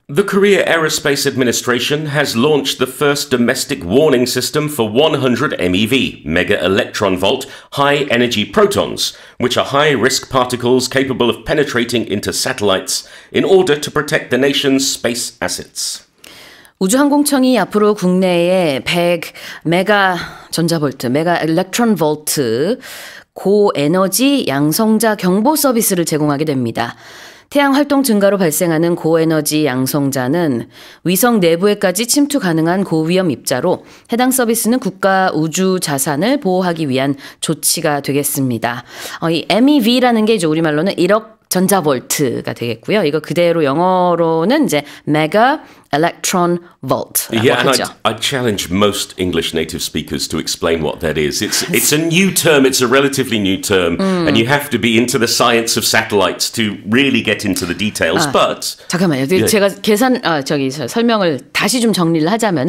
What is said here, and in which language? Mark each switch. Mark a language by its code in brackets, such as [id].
[en] The Korea AeroSpace Administration has launched the first domestic warning system for 100 MeV, mega electron volt, high energy protons, which are high risk particles capable of penetrating into satellites in order to protect the nation's space assets. [ko] 우주항공청이 앞으로 국내에 100 메가 전자볼트, 메가 일렉트론 볼트, 고에너지 양성자 경보 서비스를 제공하게 됩니다. 태양 활동 증가로 발생하는 고에너지 양성자는 위성 내부에까지 침투 가능한 고위험 입자로 해당 서비스는 국가 우주 자산을 보호하기 위한 조치가 되겠습니다. 이 MeV라는 게 이제 우리말로는 1억 전자볼트가 되겠고요. 이거 그대로 영어로는 이제 [en] mega electron volt. Yeah, and I challenge most English native speakers to explain what that is. It's a new term. It's a relatively new term, and you have to be into the science of satellites to really get into the details. [ko] 아, [en] but [ko] 잠깐만요. Yeah. 제가 계산 아, 저기 설명을 다시 좀 정리를 하자면